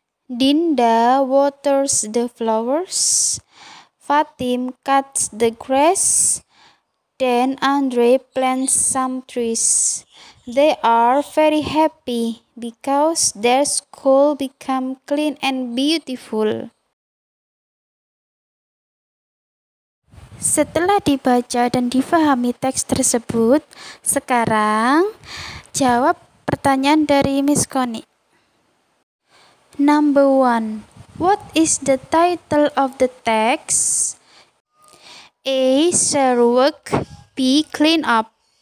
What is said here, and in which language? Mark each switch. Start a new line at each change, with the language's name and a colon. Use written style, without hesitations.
English: Dinda waters the flowers. Fatim cuts the grass. Then Andre plants some trees. They are very happy because their school become clean and beautiful.
Indonesian: Setelah dibaca dan difahami teks tersebut, sekarang jawab pertanyaan dari Miss Connie.
English: Number one, what is the title of the text? A. Share work. B. Clean up.